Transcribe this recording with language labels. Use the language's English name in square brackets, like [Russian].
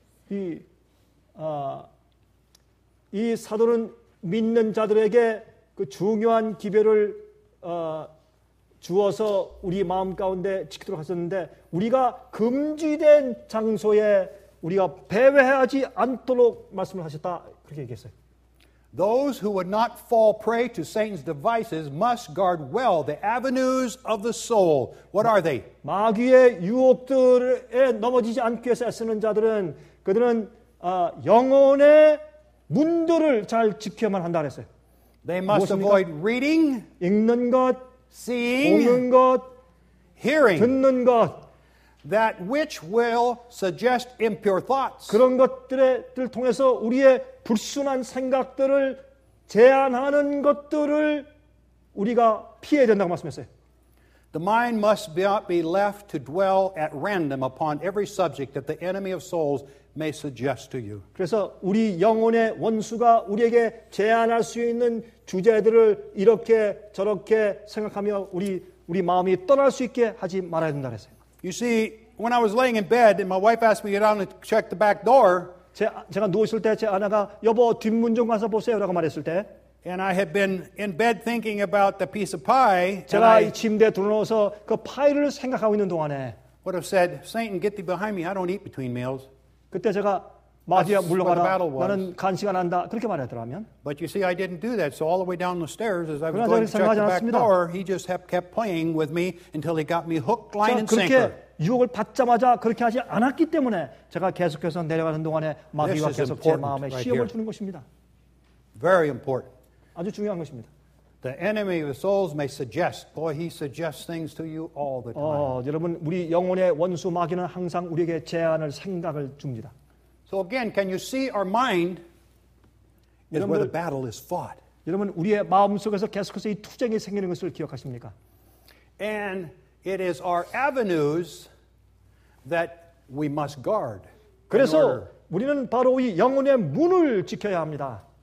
[Korean] 이 사도는 믿는 자들에게 그 중요한 기별을 주어서 우리 마음 가운데 지키도록 하셨는데 우리가 금지된 장소에 우리가 배회하지 않도록 말씀을 하셨다 그렇게 얘기했어요. [English] Those who would not fall prey to Satan's devices must guard well the avenues of the soul. What are they? [Korean] 마귀의 유혹들에 넘어지지 않기 위해서 애쓰는 자들은 그들은 영혼의 문들을 잘 지켜야만 한다 그랬어요. [English] They must avoid reading, [Korean] 읽는 것, [English] Seeing, [Korean] 보는 것, [English] hearing, [Korean] 듣는 것, [English] that which will suggest impure thoughts. [Korean] 그런 것들을 통해서 우리의 불순한 생각들을 제한하는 것들을 우리가 피해야 된다고 말씀했어요. [English] The mind must not be left to dwell at random upon every subject that the enemy of souls may suggest to you. [Korean] 그래서 우리 영혼의 원수가 우리에게 제안할 수 있는 주제들을 이렇게 저렇게 생각하며 우리 마음이 떠날 수 있게 하지 말아야 된다 그랬어요. [English] You see, when I was laying in bed and my wife asked me to get out and check the back door, [Korean] 제가 누워 있을 때 제 아내가 여보 뒷문 좀 가서 보세요라고 말했을 때 [English] And I had been in bed thinking about the piece of pie. [Korean] 제가 이 침대에 들어누워서 그 파이를 생각하고 있는 동안에 [English] would have said, Satan, get thee behind me. I don't eat between meals. [Korean] 그때 제가 마귀야 물러가라. 나는 간식 안 한다. 그렇게 말하더라면. [English] But you see, I didn't do that. So all the way down the stairs, as I was going to check the back door, he just kept playing with me until he got me hook, line, and sinker. [Korean] 그렇게 유혹을 받자마자 그렇게 하지 않았기 때문에 제가 계속해서 내려가는 동안에 마귀가 계속 제 마음에 시험을 주는 것입니다. [English] Very important. [Korean] 아주 중요한 것입니다. [English] The enemy of souls may suggest, boy, he suggests things to you all the time. [Korean] 여러분, 우리 영혼의 원수 마귀는 항상 우리에게 제안을 생각을 줍니다. [English] So again, can you see our mind is where the battle is fought? [Korean] 여러분 우리의 마음속에서 계속해서 이 투쟁이 생기는 것을 기억하십니까? [English] And it is our avenues that we must guard. [Korean] 그래서 우리는 바로 이 영혼의 문을 지켜야 합니다.